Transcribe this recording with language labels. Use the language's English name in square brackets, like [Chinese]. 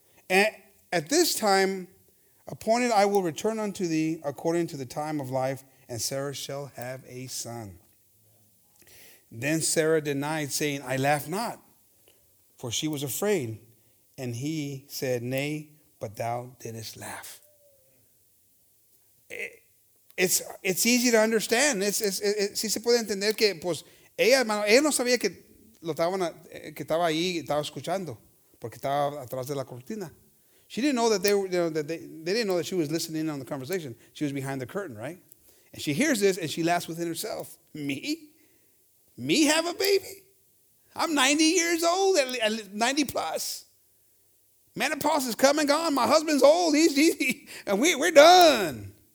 [English] And at this time appointed, I will return unto thee according to the time of life, and Sarah shall have a son. Then Sarah denied, saying, I laugh not, for she was afraid. And he said, nay, but thou didst laugh. It's easy to understand. [Spanish] Si se puede entender que, pues, ella no sabía que lo estaban, que estaba ahí, estaba escuchando, porque estaba atrás de la cortina. [English] She didn't know that they were, you know, that they didn't know that she was listening on the conversation. She was behind the curtain, right? And she hears this and she laughs within herself. Me have a baby? I'm 90 years old, at 90 plus. Menopause is coming gone. My husband's old. We're done.